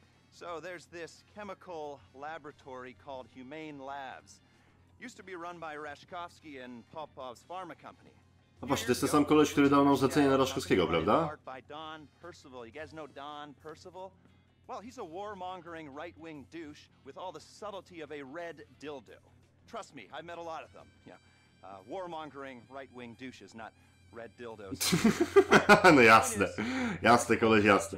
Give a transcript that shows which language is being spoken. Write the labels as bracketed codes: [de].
[en] So there's this chemical laboratory called Humane Labs. Used to be run by Raskowski and Popov's Pharma Company. [pl] A właśnie, to jest ten sam koleś, który dał nam zlecenie na Raszkowskiego, prawda? [en] Don Percival. You guys know Don Percival? Well, he's a warmongering right-wing douche with all the subtlety of a red dildo. Trust me, I've met a lot of them. Yeah. Warmongering right-wing douches, not red dildos. [pl] No jasne. Jasne, koleś, jasne.